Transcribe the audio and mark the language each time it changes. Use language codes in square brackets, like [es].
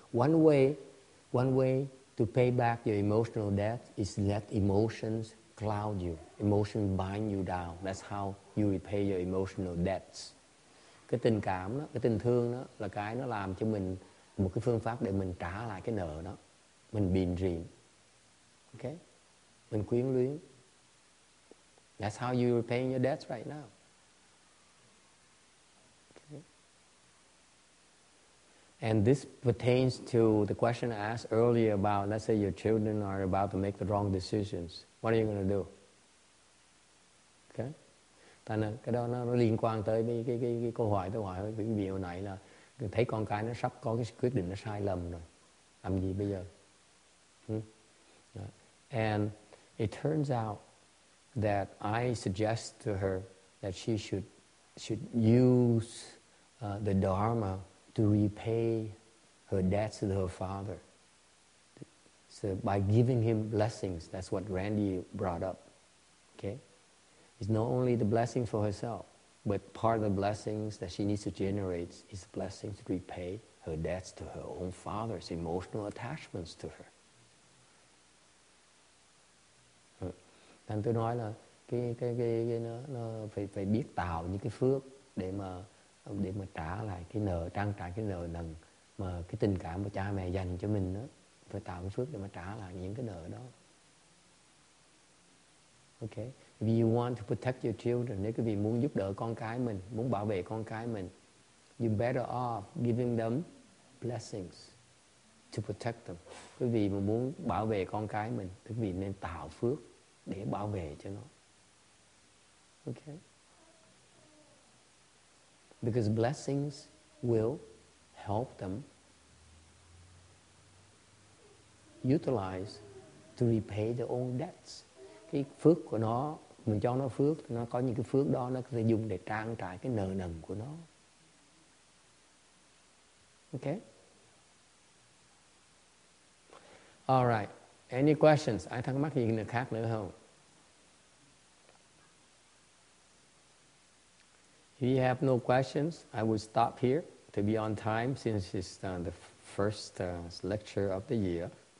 [en] One way to pay back your emotional debt is let emotions cloud you, emotion bind you down. That's how you repay your emotional debts. [vi] Cái tình cảm đó, cái tình thương đó là cái nó làm cho mình một cái phương pháp để mình trả lại cái nợ đó, mình bền rìm, ok, mình quyến luyến. [en] That's how you repay your debts right now. And this pertains to the question I asked earlier about, let's say your children are about to make the wrong decisions. What are you going to do? Okay? [vi] Tại là cái đó nó liên quan tới cái câu hỏi tôi hỏi quý vị hồi nãy là thấy con cái nó sắp có cái quyết định nó sai lầm rồi. Làm gì bây giờ? [en] And it turns out that I suggest to her that she should use the Dharma to repay her debts to her father. So by giving him blessings, that's what Randy brought up. Okay? It's not only the blessing for herself, but part of the blessings that she needs to generate is blessings to repay her debts to her own father's emotional attachments to her. [vi] Thành tôi nói là cái nó phải biết tạo những cái phước để mà trả lại cái nợ, trang trải cái nợ nần mà cái tình cảm của cha mẹ dành cho mình đó, phải tạo cái phước để mà trả lại những cái nợ đó. Ok, [en] If you want to protect your children, [vi] nếu quý vị muốn giúp đỡ con cái mình, [en] muốn bảo vệ con cái mình, you're better off giving them blessings to protect them. [vi] Quý vị mà muốn bảo vệ con cái mình, quý vị nên tạo phước để bảo vệ cho nó. [en] Okay? Because blessings will help them utilize to repay their own debts. [vi] Cái phước của nó, mình cho nó phước, nó có những cái phước đó nó có thể dùng để trang trải cái nợ nần của nó. [en] Okay? All right. Any questions? [vi] Ai thắc mắc gì nữa khác nữa không? [en] If you have no questions, I will stop here to be on time since it's the first lecture of the year.